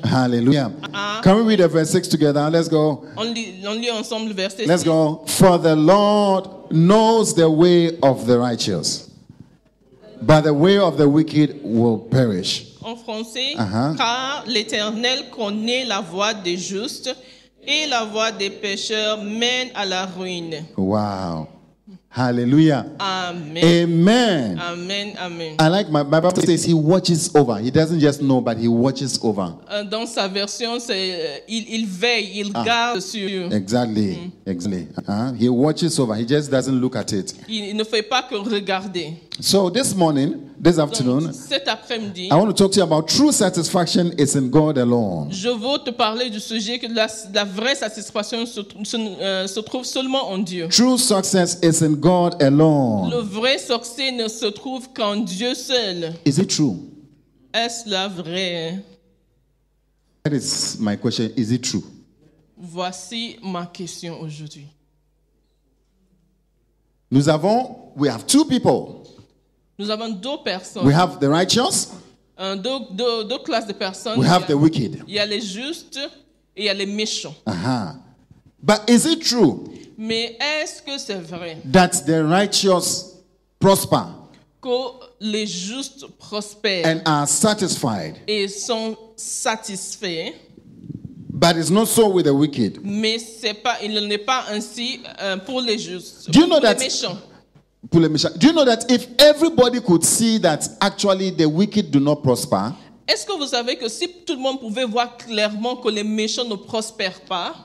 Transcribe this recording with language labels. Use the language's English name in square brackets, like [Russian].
[English] Hallelujah. Can we read the verse 6 together? Let's go. [French] On lit ensemble verset 6. [English] Let's go. For the Lord knows the way of the righteous, but the way of the wicked will perish. [French] En français, car l'Éternel connaît la voix des justes et la voix des pécheurs mène à la ruine. [English] Wow. Hallelujah. Amen. I like my Bible says he watches over. He doesn't just know, but he watches over. [French] Dans sa version, c'est il veille, il garde sur. [English] Exactly. He watches over. He just doesn't look at it. [French] Il ne fait pas que regarder. [English] So this morning, this afternoon, [French] cet après-midi, [English] I want to talk to you about true satisfaction is in God alone. [French] Je veux te parler du sujet que la vraie satisfaction se trouve seulement en Dieu. [English] True success is in God alone. [French] Le vrai succès ne se trouve qu'en Dieu seul. [English] Is it true? [French] Est-ce la vraie? [English] That is my question. Is it true? [French] Voici ma question aujourd'hui. Nous avons, [English] we have two people. [French] Nous avons deux personnes. [English] We have the righteous. [French] Deux classes de personnes. [English] We have the wicked. [French] Il y a les justes et il y a les méchants. [English] Uh-huh. But is it true? [French] Mais est-ce que c'est vrai? [English] That the righteous prosper. [French] Que les justes prospèrent. [English] And are satisfied. [French] Et sont satisfaits. [English] But it's not so with the wicked. [French] Mais c'est pas, il n'est pas ainsi pour les justes. [English] Do you know [French] pour Les méchants. [English] Do you know that if everybody could see that actually the wicked do not prosper? [French] Est-ce que vous savez que si tout le monde pouvait voir clairement que les méchants ne prospèrent pas?